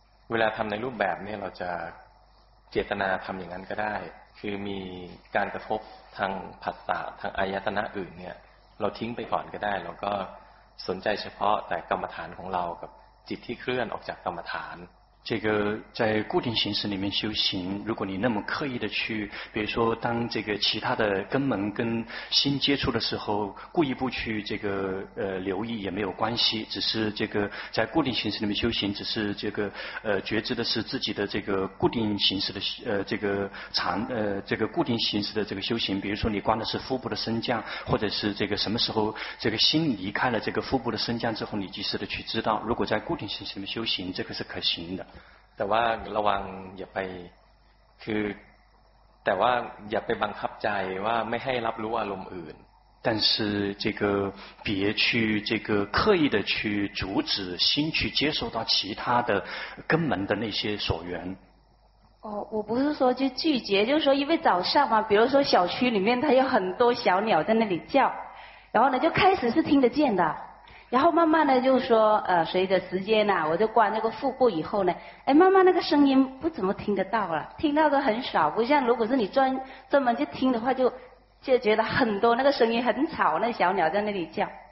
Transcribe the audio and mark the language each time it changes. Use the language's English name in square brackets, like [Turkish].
[Thai] เวลาทำในรูปแบบนี้เราจะเจตนาทำอย่างนั้นก็ได้คือมีการกระทบทางผัสสะทางอายตนะอื่นเนี่ยเราทิ้งไปก่อนก็ได้แล้วก็สนใจเฉพาะแต่กรรมฐานของเรากับจิตที่เคลื่อนออกจากกรรมฐาน [Chinese] 这个在固定形式里面修行，如果你那么刻意的去，比如说当这个其他的根门跟心接触的时候，故意不去这个留意也没有关系，只是这个在固定形式里面修行，只是这个觉知的是自己的这个固定形式的这个禅这个固定形式的这个修行，比如说你观的是腹部的升降，或者是这个什么时候这个心离开了这个腹部的升降之后，你及时的去知道，如果在固定形式里面修行，这个是可行的。 [Thai] แต่ว่าระวังอย่าไปคือแต่ว่าอย่าไปบังคับใจว่าไม่ให้รับรู้อารมณ์อื่น [Chinese] 但是这个别去这个刻意的去阻止心去接受到其他的根本的那些所缘哦我不是说就拒绝就是说因为早上嘛比如说小区里面它有很多小鸟在那里叫然后呢就开始是听得见的然后慢慢的就说随着时间啊我就关那个腹部以后呢哎慢慢那个声音不怎么听得到了听到的很少不像如果是你专门去听的话就觉得很多那个声音很吵那小鸟在那里叫